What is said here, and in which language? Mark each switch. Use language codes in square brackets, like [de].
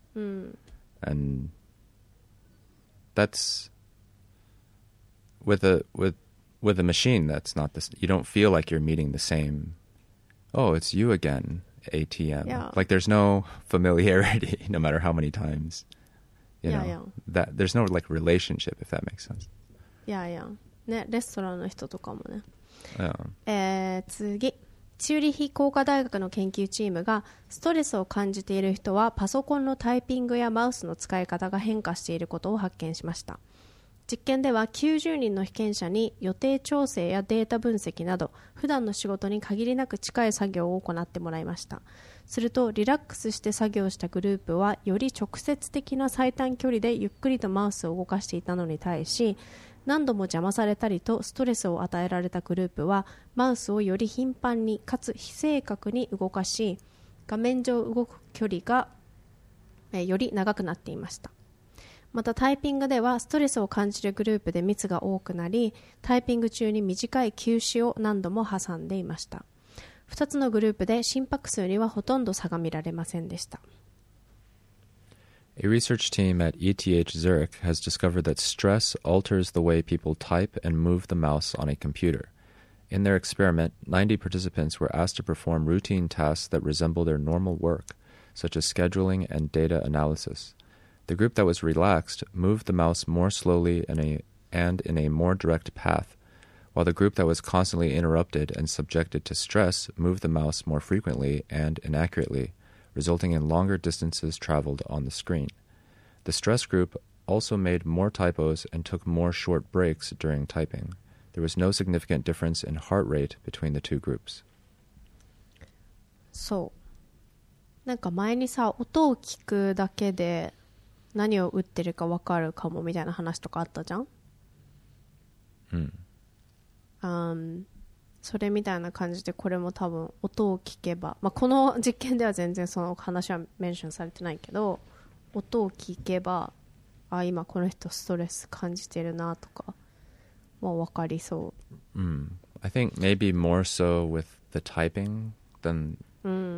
[en] And that's with a machine, that's not this. You don't feel like you're meeting the same, oh, it's you again, ATM. Yeah. Like there's no familiarity, no matter how many times, you yeah, know, yeah. that there's no like relationship, if that makes sense. Yeah, yeah. [ja] ね、レストランの人とかもね。 [en] Yeah. [ja] 次。チューリヒ工科大学の研究チームがストレスを感じている人はパソコンのタイピングやマウスの使い方が変化していることを発見しました。実験では90人の被験者に予定調整やデータ分析など普段の仕事に限りなく近い作業を行ってもらいました。するとリラックスして作業したグループはより直接的な最短距離でゆっくりとマウスを動かしていたのに対し、何度も邪魔されたりとストレスを与えられたグループはマウスをより頻繁にかつ非正確に動かし、画面上動く距離がより長くなっていました。またタイピングではストレスを感じるグループでミスが多くなり、タイピング中に短い休止を何度も挟んでいました。 2つのグループで心拍数にはほとんど差が見られませんでした。 [en] A research team at ETH Zurich has discovered that stress alters the way people type and move the mouse on a computer. In their experiment, 90 participants were asked to perform routine tasks that resemble their normal work, such as scheduling and data analysis. The group that was relaxed moved the mouse more slowly and in a more direct path, while the group that was constantly interrupted and subjected to stress moved the mouse more frequently and inaccurately. Resulting in longer distances traveled on the screen. The stress group also made more typos and took more short breaks during typing. There was no significant difference in heart rate between the two groups. [ja] そう。なんか前にさ、音を聞くだけで何を打ってるか分かるかもみたいな話とかあったじゃん？うん。それみたいな感じで、これも多分音を聞けば、まあ、この実験では全然その話はメンションされてないけど、音を聞けば、あ、今この人ストレス感じてるなとか、まあ、分かりそう。 Mm. [en] I think maybe more so with the typing than,、mm.